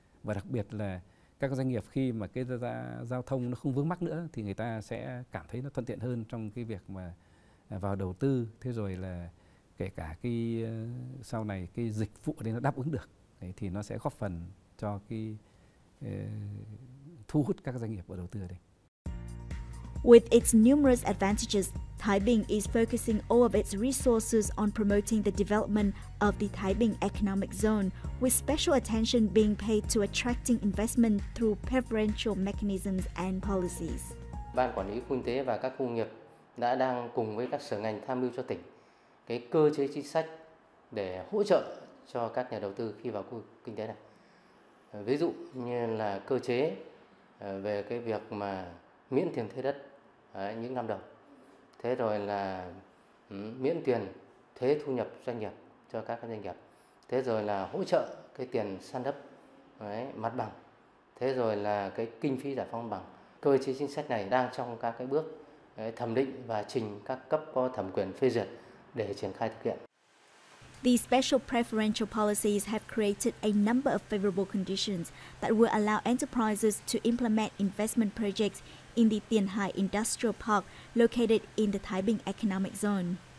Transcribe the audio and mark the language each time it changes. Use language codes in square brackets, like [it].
[vi] Và đặc biệt là các doanh nghiệp khi mà cái giao thông nó không vướng mắc nữa thì người ta sẽ cảm thấy nó thuận tiện hơn trong cái việc mà vào đầu tư. Thế rồi là kể cả cái sau này cái dịch vụ đấy nó đáp ứng được. Đấy, thì nó sẽ góp phần cho cái thu hút các doanh nghiệp vào đầu tư ở đây. [en] With its numerous advantages, Taibing is focusing all of its resources on promoting the development of the Taibing Economic Zone, with special attention being paid to attracting investment through preferential mechanisms and policies. [vi] Ban quản lý khu kinh tế và các khu công nghiệp đã đang cùng với các sở ngành tham mưu cho tỉnh cái cơ chế chính sách để hỗ trợ cho các nhà đầu tư khi vào khu kinh tế này. Ví dụ như là cơ chế về cái việc mà miễn tiền thuê đất những năm đầu. thế rồi là miễn tiền thuế thu nhập doanh nghiệp cho các doanh nghiệp, thế rồi là hỗ trợ cái tiền san đắp mặt bằng, thế rồi là cái kinh phí giải phóng mặt bằng. Cơ chế chính sách này đang trong các cái bước thẩm định và trình các cấp có thẩm quyền phê duyệt để triển khai thực hiện. [en] These special preferential policies have created a number of favorable conditions that will allow enterprises to implement investment projects in the Tiền Hải Industrial Park located in the Thái Bình Economic Zone.